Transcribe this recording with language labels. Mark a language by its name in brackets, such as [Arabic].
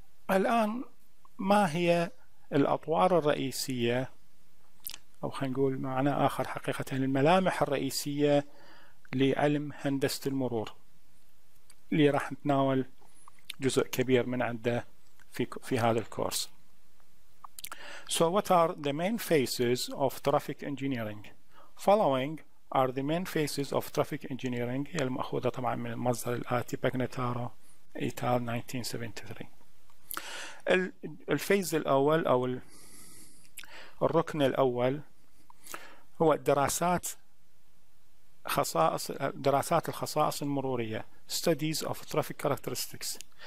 [Arabic] الآن ما هي الأطوار الرئيسية، أو خلينا نقول معنى آخر حقيقة، الملامح الرئيسية لعلم هندسة المرور اللي راح نتناول جزء كبير من عنده في هذا الكورس. [English] So what are the main faces of traffic engineering? Following are the main faces of traffic engineering. [Arabic] هي المأخوذة طبعا من المصدر الآتي باجناتارو et al. 1973. الفيز الأول أو الركن الأول هو دراسات الخصائص المرورية، [English] studies of traffic characteristics.